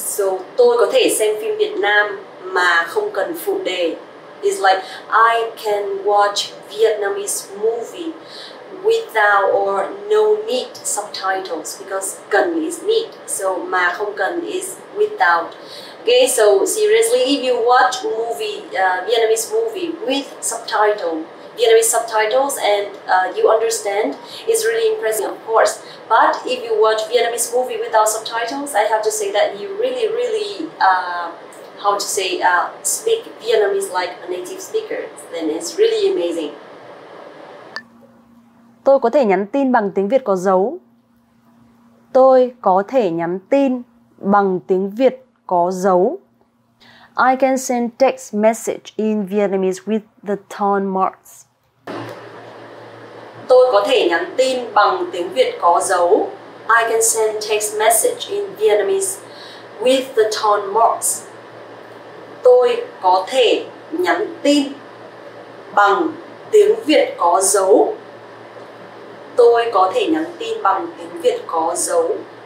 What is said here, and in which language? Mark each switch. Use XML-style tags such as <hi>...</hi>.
<vi>So tôi có thể xem phim Việt Nam mà không cần phụ đề.</vi> <en>It's like, I can watch Vietnamese movie without or no need subtitles because cần is need. So mà không cần is without. Okay, so seriously, if you watch movie, Vietnamese movie with subtitle, Vietnamese subtitles and you understand, it's really impressive, of course. But if you watch Vietnamese movie without subtitles, I have to say that you really, really, how to say, speak Vietnamese like a native speaker, then it's really amazing.</en> <vi>Tôi có thể nhắn tin bằng tiếng Việt có dấu. Tôi có thể nhắn tin bằng tiếng Việt có dấu.</vi> <en>I can send text message in Vietnamese with the tone marks.</en> <vi>Tôi có thể nhắn tin bằng tiếng Việt có dấu.</vi> <en>I can send text message in Vietnamese with the tone marks.</en> <vi>Tôi có thể nhắn tin bằng tiếng Việt có dấu. Tôi có thể nhắn tin bằng tiếng Việt có dấu.</vi>